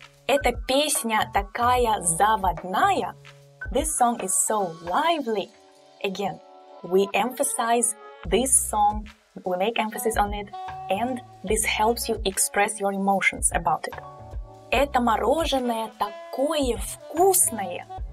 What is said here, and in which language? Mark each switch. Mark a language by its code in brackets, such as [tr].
[ru] Эта песня такая заводная. [en] This song is so lively. Again, we emphasize this song, we make emphasis on it, and this helps you express your emotions about it. [ru] Это мороженое такое вкусное.